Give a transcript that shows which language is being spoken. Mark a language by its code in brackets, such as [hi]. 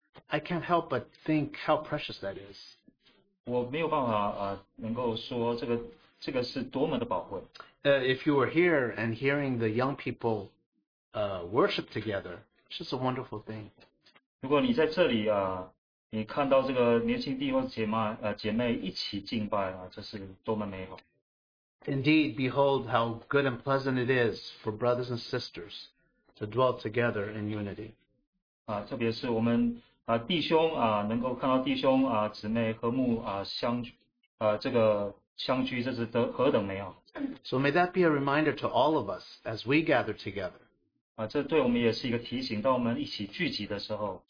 [en] I can't help but think how precious that is. [zh] 我没有办法能够说这个是多么的宝贵。 [en] If you were here and hearing the young people worship together, it's just a wonderful thing. [zh] 如果你在这里，你看到这个年轻弟兄姐妹一起敬拜，这是多么美好。 [en] Indeed, behold how good and pleasant it is for brothers and sisters to dwell together in unity. [zh] 特别是我们弟兄能够看到弟兄姊妹和睦相聚，这是何等美好。 [en] So may that be a reminder to all of us as we gather together. [zh] 这对我们也是一个提醒，当我们一起聚集的时候。